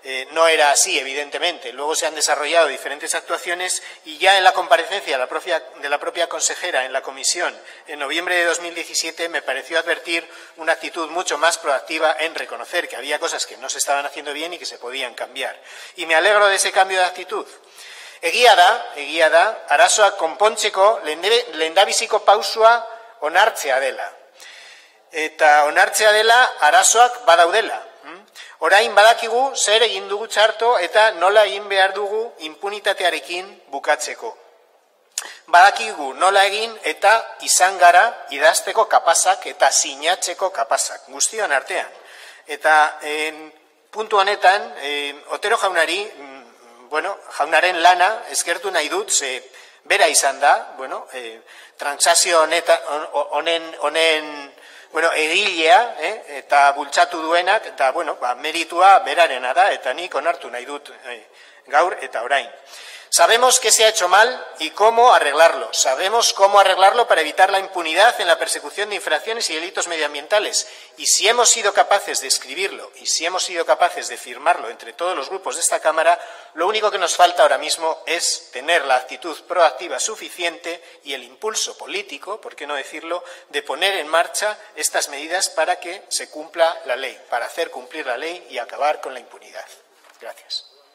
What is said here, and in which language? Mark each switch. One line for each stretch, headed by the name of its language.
Spanish: No era así, evidentemente. Luego se han desarrollado diferentes actuaciones y ya en la comparecencia de la propia consejera en la comisión en noviembre de 2017 me pareció advertir una actitud mucho más proactiva en reconocer que había cosas que no se estaban haciendo bien y que se podían cambiar. Y me alegro de ese cambio de actitud.
Basque: Egia da, arazoak konpontzeko lehendabiziko pausua onartzea dela. Eta onartzea dela arazoak badaudela. Orain badakigu zer egin dugu txarto eta nola egin behar dugu impunitatearekin bukatzeko. Badakigu nola egin eta izan gara idazteko kapazak eta sinatzeko kapazak, guztion artean. Eta puntu honetan, Otero jaunari, bueno, jaunaren lana eskertu nahi dut, ze bera izan da, bueno, transazio honen egilea, eta bultzatu duenak, eta bueno, ba, meritua berarena da, eta nik onartu nahi dut gaur eta orain.
Spanish: Sabemos qué se ha hecho mal y cómo arreglarlo. Sabemos cómo arreglarlo para evitar la impunidad en la persecución de infracciones y delitos medioambientales. Y si hemos sido capaces de escribirlo y si hemos sido capaces de firmarlo entre todos los grupos de esta Cámara, lo único que nos falta ahora mismo es tener la actitud proactiva suficiente y el impulso político, por qué no decirlo, de poner en marcha estas medidas para que se cumpla la ley, para hacer cumplir la ley y acabar con la impunidad. Gracias.